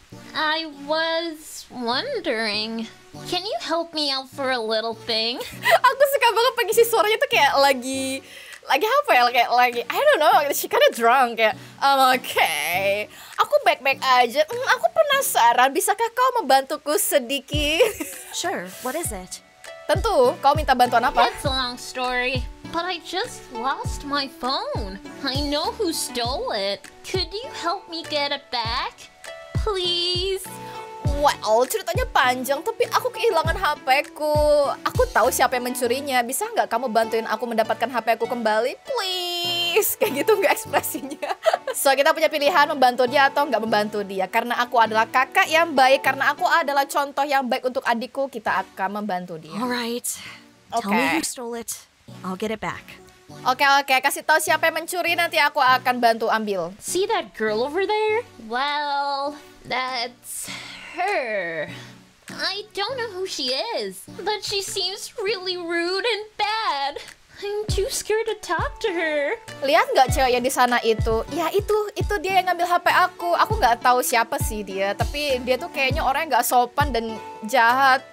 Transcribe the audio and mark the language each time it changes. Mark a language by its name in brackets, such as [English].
[English] I was wondering, can you help me out for a little thing? [Indonesian] Aku suka banget pagi sih, suaranya tuh kayak lagi apa ya? Kayak lagi, [English] I don't know, she kinda drunk. [Indonesian] Kayak, [English] I'm okay. [Indonesian] Aku baik-baik aja. Aku penasaran, bisakah kau membantuku sedikit? [English] Sure, what is it? [Indonesian] Tentu, kau minta bantuan apa? [English] That's a long story, but I just lost my phone. I know who stole it. Could you help me get it back? Please? [Indonesian] Well, ceritanya panjang, tapi aku kehilangan HP-ku. Aku tahu siapa yang mencurinya. Bisa nggak kamu bantuin aku mendapatkan HP-ku kembali? Please? Kayak gitu nggak ekspresinya. So, kita punya pilihan membantu dia atau nggak membantu dia. Karena aku adalah kakak yang baik, karena aku adalah contoh yang baik untuk adikku, kita akan membantu dia. [English] Alright. Okay. Tell me who stole it. I'll get it back. Okay. [Indonesian] Kasih tahu siapa yang mencuri, nanti aku akan bantu ambil. [English] See that girl over there? Well, that's her. I don't know who she is, but she seems really rude and bad. I'm too scared to talk to her. [Indonesian] Lihat nggak cewek yang di sana itu? Ya itu dia yang ngambil HP aku. Aku nggak tahu siapa sih dia, tapi dia tuh kayaknya orang yang nggak sopan dan jahat.